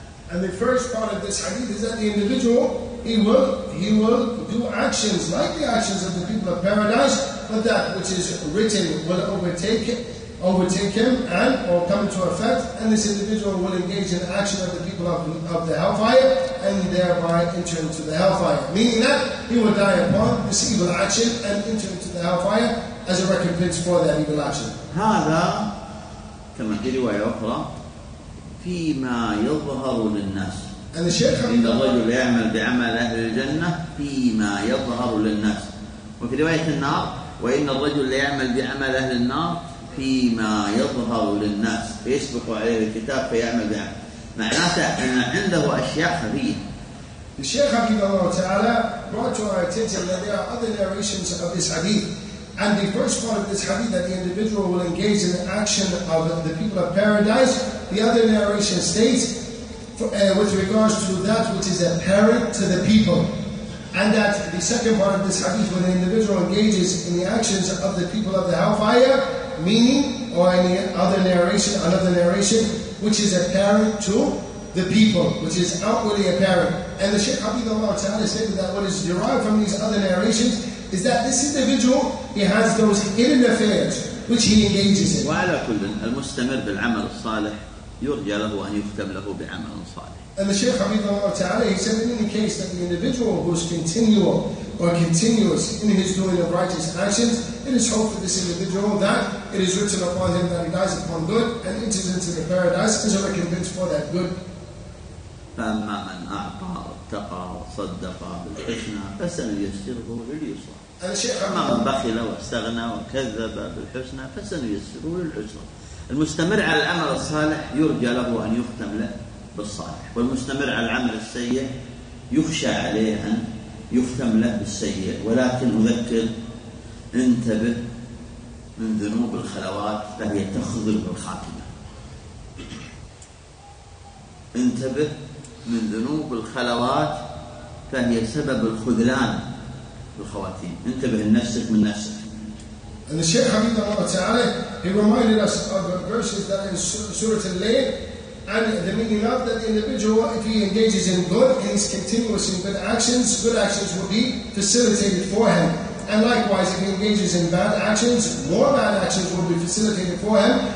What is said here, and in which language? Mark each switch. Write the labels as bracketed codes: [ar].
[en] And the first part of this hadith is that the individual he will do actions like the actions of the people of paradise, but that which is written will overtake him and or come into effect, and this individual will engage in action of the people of the hellfire and thereby enter into the hellfire, meaning that he will die upon this evil action and enter into the hellfire as a recompense for that evil action. [ar] كما في رواية أخرى فيما يظهر للناس. [en] And the Shaykh [ar] إن الرجل يعمل بعمل أهل الجنة فيما يظهر للناس. وفي رواية النار وإن الرجل يعمل بعمل أهل النار فيما يظهر للناس فيسبق عليه الكتاب فيعمل بعمل. معناته أن عنده أشياء خفية. [en] The Shaykh Habib Allah Ta'ala brought to our attention that there are other narrations of this hadith. And the first part of this hadith, that the individual will engage in the action of the people of paradise, the other narration states, with regards to that which is apparent to the people. And that the second part of this hadith, when the individual engages in the actions of the people of the hellfire, meaning, or any other narration, another narration, which is apparent to the people, which is outwardly apparent. And the Shaykh Habib Allah Ta'ala stated that what is derived from these other narrations is that this individual, he has those hidden affairs which he engages in. [ar] وعلى كل المستمر بالعمل الصالح يرجى له أن يختم له بعمل صالح. [en] And the Shaykh Habib Allah Ta'ala, he said in any case that the individual who is continual or continuous in his doing of righteous actions, it is hoped for this individual that it is written upon him that he dies upon good and enters into the paradise as a recompense for that good. [ar] فأما من أعطى واتقى وصدق بالحسنى فسنيسره لليسرى. أما من بخل واستغنى وكذب بالحسنى فسنيسره للعسرى. المستمر على العمل الصالح يرجى له أن يختم له بالصالح، والمستمر على العمل السيء يخشى عليه أن يختم له بالسيء. ولكن أذكر انتبه من ذنوب الخلوات فهي تخذل بالخاتمة. انتبه من ذنوب الخلوات فهي سبب الخذلان بالخواتيم. انتبه لنفسك من نفسك. [en] And the Shaykh Habib Allah Ta'ala, he reminded us of verses that in Surah Al-Layl, and the meaning of that the individual, if he engages in good, and he's continuous in good actions will be facilitated for him. And likewise, if he engages in bad actions, more bad actions will be facilitated for him.